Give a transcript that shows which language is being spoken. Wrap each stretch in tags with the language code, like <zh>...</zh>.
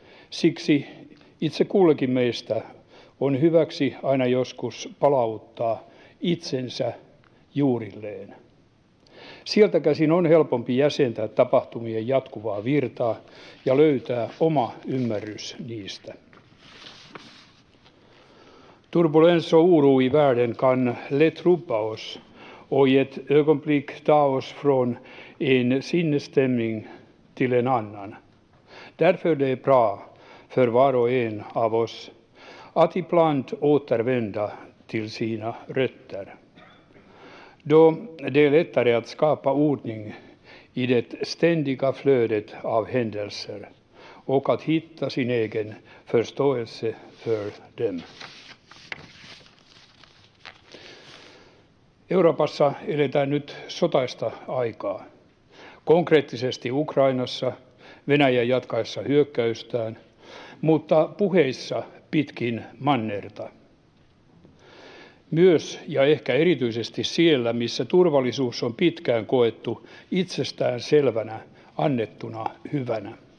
<fi>Siksi itse kullekin meistä on hyväksi aina joskus palauttaa itsensä juurilleen. Sieltä käsin on helpompi jäsentää tapahtumien jatkuvaa virtaa ja löytää oma ymmärrys niistä.</fi> <sv>Turbulens och oro i världen kan lätt rubba oss och i ett ögonblick ta oss från en sinnesstämning till en annan. Därför det är bra för var och en av oss att ibland återvända till sina rötter. Då det är lättare att skapa ordning i det ständiga flödet av händelser och att hitta sin egen förståelse för dem.</sv> <fi>Euroopassa eletään nyt sotaista aikaa. Konkreettisesti Ukrainassa, Venäjän jatkaessa hyökkäystään, mutta puheissa pitkin mannerta. Myös ja ehkä erityisesti siellä, missä turvallisuus on pitkään koettu itsestään selvänä, annettuna hyvänä.</fi>